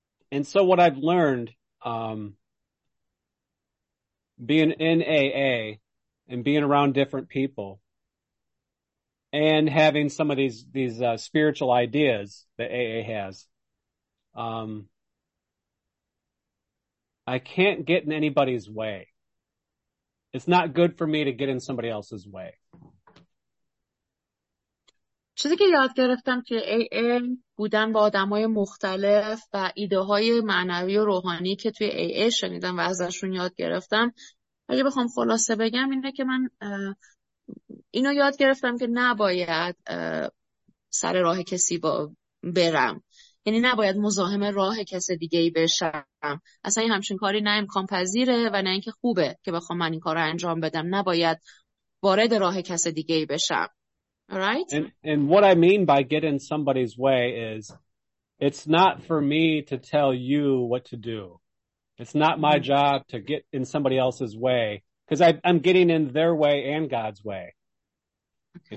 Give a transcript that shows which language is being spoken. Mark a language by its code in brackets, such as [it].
[en] And so what I've learned being in AA and being around different people and having some of these spiritual ideas that AA has, I can't get in anybody's way. It's not good for me to get in somebody else's way. [fa] چیزی که یاد گرفتم که AA بودن با آدمای مختلف و ایده های معنوی و روحانی که توی AA شنیدم و ازشون یاد گرفتم، اگه بخوام خلاصه بگم اینه که من اینو یاد گرفتم که نباید سر راه کسی برم، یعنی نباید مزاحم راه کس دیگه ای بشم. اصلا این همچین کاری نه امکان پذیره و نه اینکه خوبه که بخوام من این کار رو انجام بدم. نباید وارد راه کس دیگه ای بشم. [en] All right. And what I mean by get in somebody's way is it's not for me to tell you what to do. It's not my job to get in somebody else's way because I'm getting in their way and God's way. Okay.